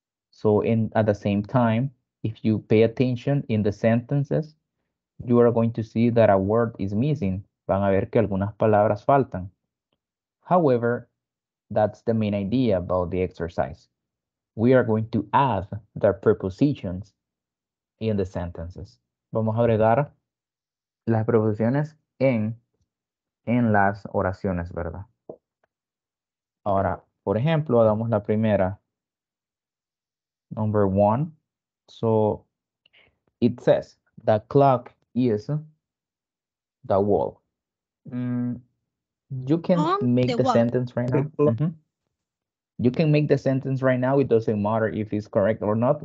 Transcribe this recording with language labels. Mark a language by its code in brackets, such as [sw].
[en] So in at the same time, if you pay attention in the sentences, you are going to see that a word is missing. [es] Van a ver que algunas palabras faltan. [en] However, that's the main idea about the exercise. We are going to add the prepositions in the sentences. [es] Vamos a agregar las preposiciones en las oraciones, ¿verdad? Ahora, por ejemplo, hagamos la primera. [en] Number one, so it says the clock is the wall. You can make the sentence right now. Mm-hmm. You can make the sentence right now. It doesn't matter if it's correct or not.